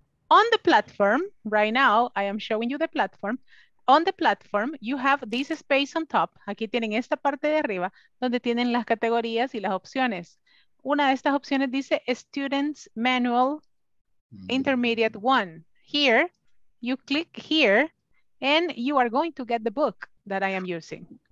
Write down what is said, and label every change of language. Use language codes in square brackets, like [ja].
[en] On the platform right now, I am showing you the platform. On the platform, you have this space on top. [es] Aquí tienen esta parte de arriba donde tienen las categorías y las opciones. Una de estas opciones dice Students Manual Intermediate 1. [en] Here, you click here and you are going to get the book that I am using.